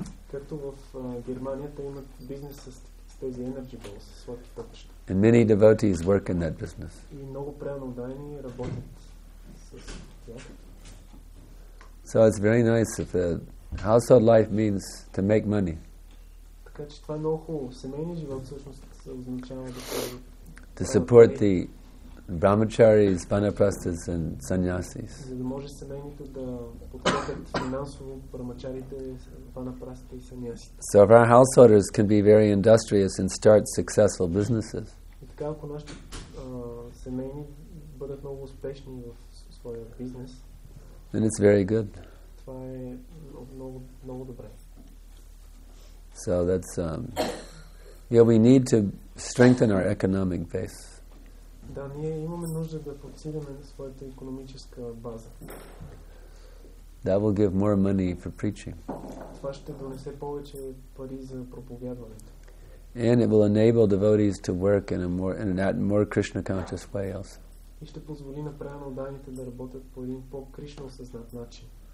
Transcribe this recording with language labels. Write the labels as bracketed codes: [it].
[bg] Както в Германия, те имат бизнес с тези energy balls, с сладки топчета. [en] And many devotees work in that business. [bg] И много преданици работят с тях. [en] So it's very nice if the household life means to make money. [bg] Така че това е много хубаво. Семейният живот всъщност означава да [en] To support the brahmacharis, vanaprasthas and sannyasis. [bg] За да може семейството да подкрепят финансово брахмачарите, ванапрастите и санясите. [en] So if our householders can be very industrious and start successful businesses. [bg] И така, ако нашите семейни бъдат много успешни в своя бизнес, [en] then it's very good. [bg] Това е много добре. [en] So that's we need to strengthen our economic base. [bg] Да, ние имаме нужда да подсилиме своята икономическа база. [en] That will give more money for preaching. [bg] Това ще донесе повече пари за проповядването. [en] And it will enable devotees to work in a more Krishna conscious way also. [bg] И ще позволи на преданите да работят по един по-кришна осъзнат начин.